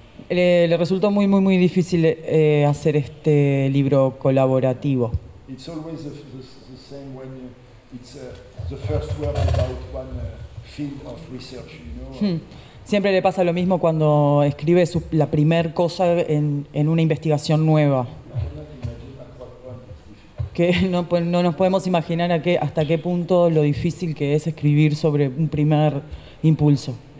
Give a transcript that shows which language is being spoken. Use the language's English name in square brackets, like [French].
[Spanish] Le resultó muy, muy, muy difícil hacer este libro colaborativo. [English] It's always the same when it's the first word about one field of research, you know. [Spanish] Siempre le pasa lo mismo cuando escribe la primera cosa en una investigación nueva. Que no nos podemos imaginar hasta qué punto lo difícil que es escribir sobre un primer impulso.